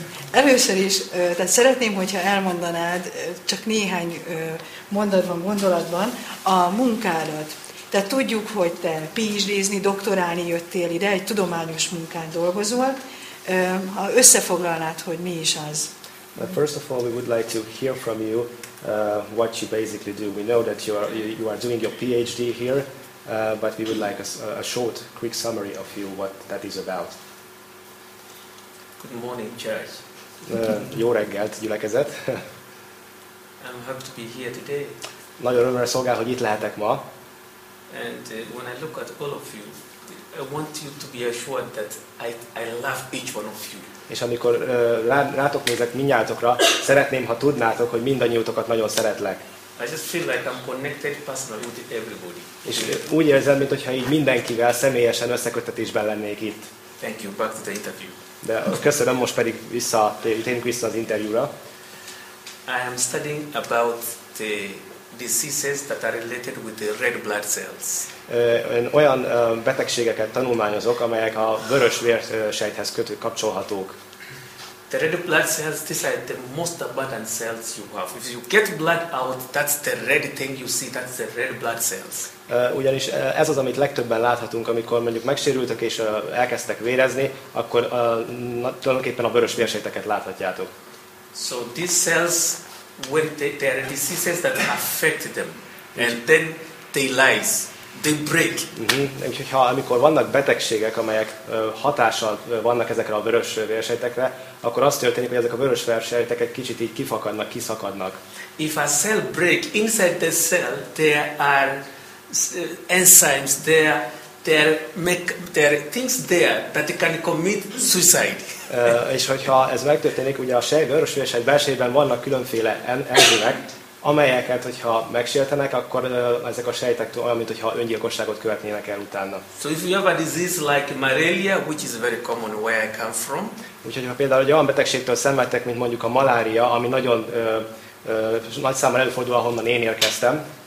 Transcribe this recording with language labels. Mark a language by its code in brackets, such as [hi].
[hu] Először is, tehát szeretném, hogyha elmondanád, csak néhány mondatban, gondolatban, a munkádat. Tehát tudjuk, hogy te PhD-zni, doktorálni jöttél ide, egy tudományos munkán dolgozol. Ha összefoglalnád, hogy mi is az. [en] But first of all, we would like to hear from you what you basically do. We know that you are doing your PhD here. But we would like a short, quick summary of you, what that is about. Good morning, church. [hu] Jó reggelt, gyülekezet. [en] I'm happy to be here today. [hu] Nagyon örömre szolgál, hogy itt lehetek ma. [en] And when I look at all of you, I want you to be assured that I love each one of you. [hu] És amikor rátok nézek mindnyájatokra, szeretném, ha tudnátok, hogy mindannyiótokat nagyon szeretlek. [en] I just feel like I'm connected personally with everybody. [hu] És úgy érzem, mint hogyha így mindenkivel személyesen összeköttetésben lennék itt. [en] Thank you, back to the interview. [hu] De köszönöm, most pedig térjünk vissza az interjúra. [en] I am studying about the diseases that are related with the red blood cells. [hu] Olyan betegségeket tanulmányozok, amelyek a vörös vérsejthez kapcsolhatók. [en] The red blood cells, these are the most abundant cells you have. If you get blood out, that's the red thing you see, that's the red blood cells. [hu] Ugyanis ez az, amit legtöbben láthatunk, amikor mondjuk megsérültek és elkezdtek vérezni, akkor tulajdonképpen a vörös vérsejteket láthatjátok. [en] So these cells, when they are diseases that affect them, and then they lyse. They break. [hu] Úgyhogy amikor vannak betegségek, amelyek hatással vannak ezekre a vörös vérsejtekre, akkor azt történik, hogy ezek a vörös vérsejtek egy kicsit így kifakadnak, kiszakadnak. [en] If a cell break, inside the cell there are enzymes, there are things there that can commit suicide. [hu] És hogyha ez megtörténik, ugye a vörös vérsejt belsejében vannak különféle enzimek, amelyeket, hogyha megsértenek, akkor ezek a sejtek olyan, mint hogyha öngyilkosságot követnének el utána. [en] So if you have a disease like malaria, which is very common where I come from. [hu] Úgyhogy ha például egy olyan betegségtől szenvedtek, mint mondjuk a malária, ami nagyon nagy számban előfordul, ahonnan én érkeztem.